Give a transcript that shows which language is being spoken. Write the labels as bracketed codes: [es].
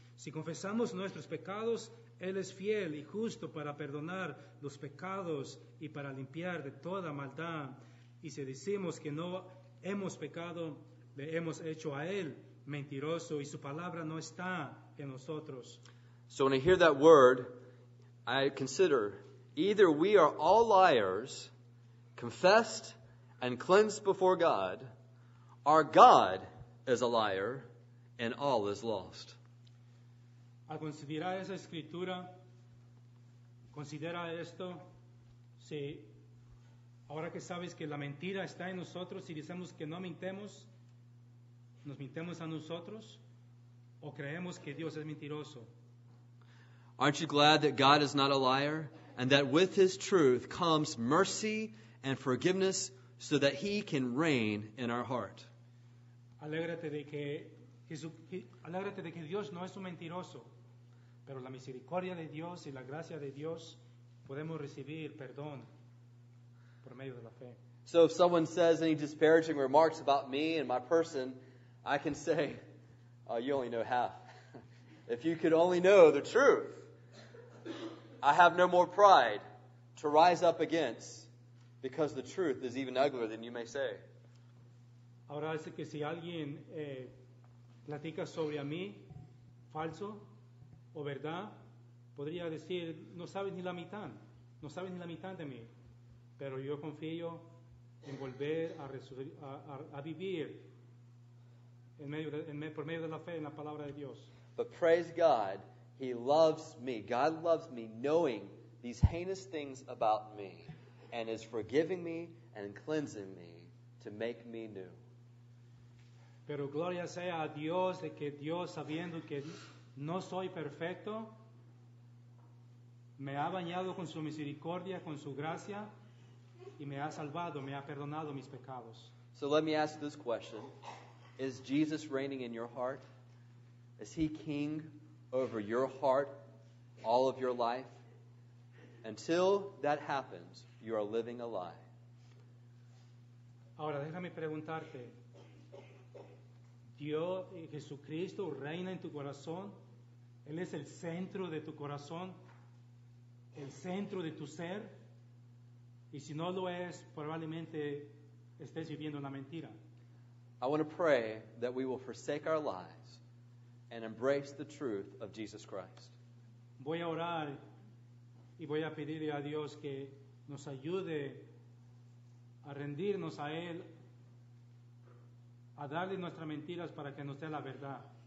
[es] Si confesamos nuestros pecados, él es fiel y justo para perdonar los pecados y para limpiar de toda maldad. Y si decimos que no hemos pecado, le hemos hecho a él mentiroso, y su palabra no está en nosotros. [en] So when I hear that word, I consider either we are all liars, confessed and cleansed before God, or God is a liar and all is lost. [es] Al considerar esa escritura, considera esto, si ahora que sabes que la mentira está en nosotros, si decimos que no mintemos, nos mintemos a nosotros, o creemos que Dios es mentiroso. [en] Aren't you glad that God is not a liar, and that with his truth comes mercy and forgiveness so that he can reign in our heart? [es] Alégrate de que Dios no es un mentiroso, pero la misericordia de Dios y la gracia de Dios podemos recibir perdón por medio de la fe. [en] So if someone says any disparaging remarks about me and my person, I can say, oh, you only know half. If you could only know the truth, I have no more pride to rise up against, because the truth is even uglier than you may say. [es] Ahora dice que si alguien platica sobre a mí falso o verdad, podría decir, no sabes ni la mitad de mí, pero yo confío en volver a vivir por medio de la fe en la palabra de Dios. [en] But praise God, He loves me. God loves me knowing these heinous things about me and is forgiving me and cleansing me to make me new. [es] Pero gloria sea a Dios de que Dios, sabiendo que no soy perfecto, me ha bañado con su misericordia, con su gracia, y me ha salvado, me ha perdonado mis pecados. [en] So let me ask this question. Is Jesus reigning in your heart? Is He king over your heart, all of your life? Until that happens, you are living a lie. [es] Ahora, déjame preguntarte. Dios, Jesucristo, reina en tu corazón. Él es el centro de tu corazón, el centro de tu ser. Y si no lo es, probablemente estés viviendo una mentira. [en] I want to pray that we will forsake our lies and embrace the truth of Jesus Christ. [es] Voy a orar y voy a pedirle a Dios que nos ayude a rendirnos a Él, a darle nuestras mentiras para que nos dé la verdad.